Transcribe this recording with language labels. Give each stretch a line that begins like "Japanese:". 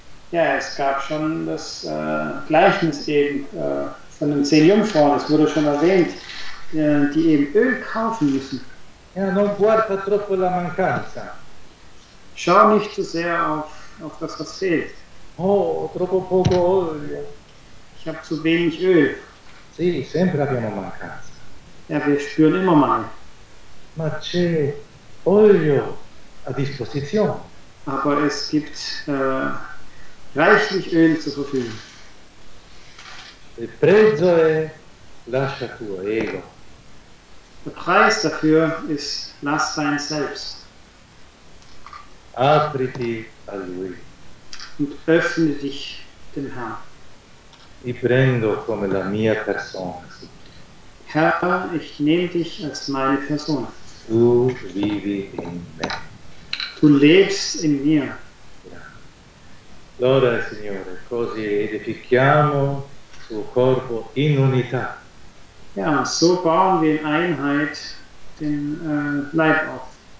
German: Ja, es gab schon das Gleichnis eben von den 10 Jungfrauen, es wurde schon erwähnt, die eben Öl kaufen müssen.
Italian: Ja, non guarda troppo la mancanza.
German: Schau nicht zu sehr auf das, was fehlt.
Italian: Oh, troppo poco olio.
German: Ich habe zu wenig Öl.
Italian: Sì, sempre abbiamo mancanza.
German: Ja, wir spüren immer mal.
Italian: Ma c'è olio a disposizione.
German: aber es gibt reichlich Öl zur Verfügung.
Italian: Il prezzo è lascia tuo ego.
German: Der Preis dafür ist lass sein selbst.
Italian: Apriti a lui.
German: Und öffne dich dem Herrn.
Italian: Ti prendo come la mia persona.
German: Herr, ich nehme dich als meine Person.
Italian: Tu vivi in me.
German: Du lebst in mir.
Italian: Allora, Signore, così edifichiamo suo corpo in unità.
German: Ja, so bauen wir in Einheit den Leib auf.